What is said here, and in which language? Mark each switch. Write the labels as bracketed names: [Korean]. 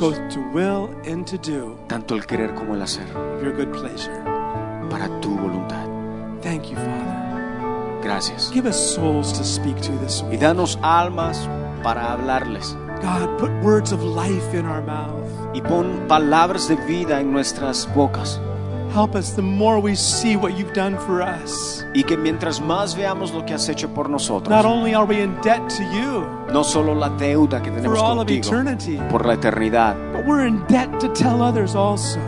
[English] both to will and to do, [Spanish] tanto el querer como el hacer, [English] of your good pleasure, [Spanish] para tu voluntad. [English] Thank you, Father. [Spanish] Gracias. [English] Give us souls to speak to this week. [Spanish] Y danos almas para hablarles. [English] God, put words of life in our mouth. [Spanish] Y pon palabras de vida en nuestras bocas. [English] Help us the more we see what you've done for us. [Spanish] Y que mientras más veamos lo que has hecho por nosotros. [English] Not only are we in debt to you. [Spanish] No solo la deuda que tenemos contigo. [English] For all of eternity. [Spanish] Por la eternidad. [English] But we're in debt to tell others also.